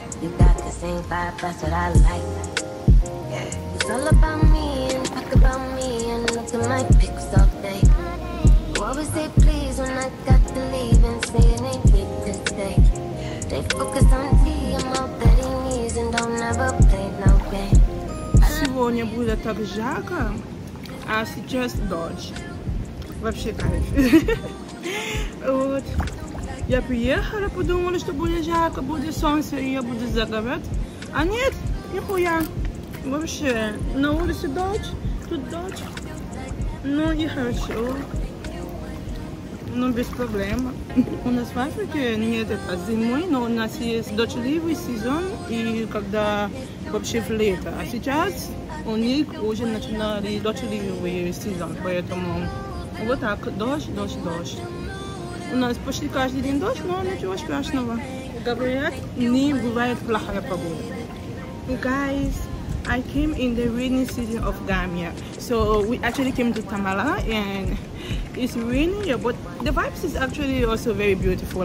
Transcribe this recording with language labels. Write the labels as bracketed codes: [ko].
[en] You got the same vibe, that's what I like. Yeah. It's all about me and talk about me and look at my pics all day. Always say please when I got to leave and say it ain't big to stay. They focus on me, I'm all that he needs and don't never play no game. [ru] Сегодня будет так жарко, а сейчас дождь. Вообще кайф. Вот. Я приехала, подумала, что будет жарко, будет солнце, и я буду загорать. А нет, нихуя. Вообще, на улице дождь, тут дождь. Ну и хорошо. Ну, без проблем. У нас в Африке нет это зимой, но у нас есть дождливый сезон, и когда вообще в лето. А сейчас у них уже начинали дождливый сезон, поэтому вот так, дождь. У нас почти каждый день дождь, но ничего страшного. Говорят, не бывает плохая погода. [en] Guys, I came in the rainy season of Gambia. So we actually came to Tamala and it's raining, but the vibes is actually also very beautiful.